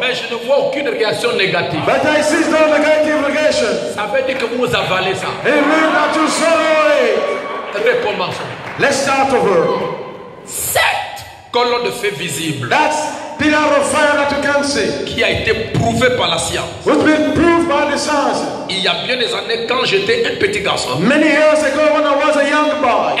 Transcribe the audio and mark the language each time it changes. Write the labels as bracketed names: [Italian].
[French] Mais je ne vois aucune réaction négative. [English] But I see no negative reaction. [French] Ça veut dire que vous avalez ça. [English] It means that you swallow it. [French] Recommençons. [English] Let's start over. [French] Cette colonne de feu visible. [English] That's pillar of fire that you can see. [French] Qui a été prouvé par la science. [English] Which been proved by the science. [French] Il y a bien des années quand j'étais un petit garçon. [English] Many years ago when I was a young boy.